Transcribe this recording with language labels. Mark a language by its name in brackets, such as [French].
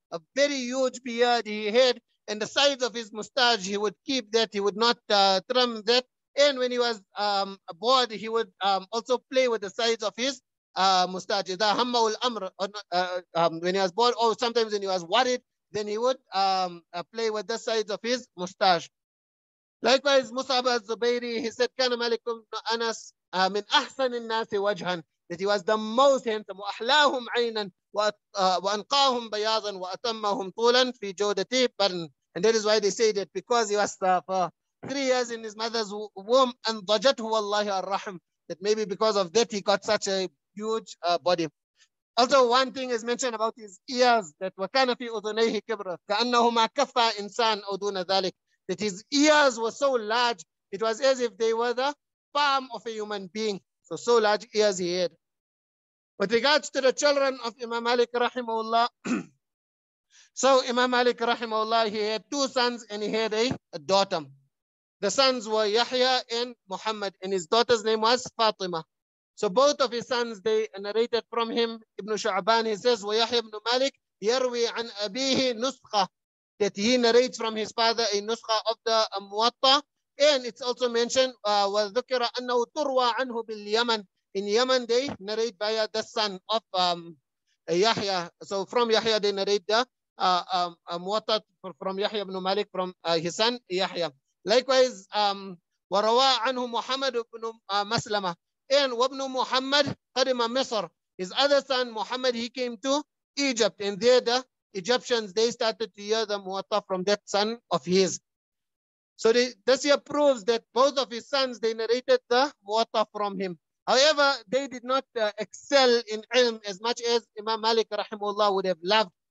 [English] A very huge beard he had, and the size of his mustache, he would keep that, he would not trim that. And when he was bored, he would also play with the size of his mustache. [Arabic] إذا همه الأمر, [English] when he was bored, or sometimes when he was worried, then he would play with the size of his mustache. Likewise, Mus'ab al-Zubayri, he said, [Arabic] كان مالك بن أنس من أحسن الناس وجها, [English] that he was the most handsome, [Arabic] وأحلاهم عينا وأنقاهم بياضا وأتمهم طولا في جودته برن. [English] And that is why they say that because he was for 3 years in his mother's womb, and [Arabic] ضجته والله الرحم, [English] that maybe because of that he got such a huge body. Also, one thing is mentioned about his ears, that [Arabic] وكان في أذنيه كبرة كأنهما كفى إنسان أو دون ذلك, [English] that his ears were so large, it was as if they were the palm of a human being. So large ears he had. With regards to the children of Imam Malik rahimahullah, so Imam Malik rahimahullah, he had 2 sons and he had a daughter. The sons were Yahya and Muhammad, and his daughter's name was Fatima. So both of his sons, they narrated from him. Ibn Shu'ban, he says, وَيَحْيَ ibn Malik [Arabic] يَرْوِي عَنْ أَبِيهِ نُسْخَةً, [English] that he narrates from his father a nuskha of the Muwaṭṭa. And it's also mentioned, [Arabic] وَذُكِرَ أَنَّهُ تُرْوَى عَنْهُ بِالْيَمَنِ. [English] In Yemen, they narrate by the son of Yahya. So from Yahya, they narrate the Muwaṭṭa from Yahya ibn Malik, from his son Yahya. [Arabic] Likewise, وَرَوَى عَنْهُ مُحَمَّدُ ibn Maslama. And وَابْنُ مُحَمَّدْ قَدِمَ مِصر. [English] His other son, Muhammad, he came to Egypt. And there the Egyptians, they started to hear the Muwaṭṭa from that son of his. So this here proves that both of his sons, they narrated the Muwaṭṭa from him. However, they did not excel in ilm as much as Imam Malik rahimahullah would have loved.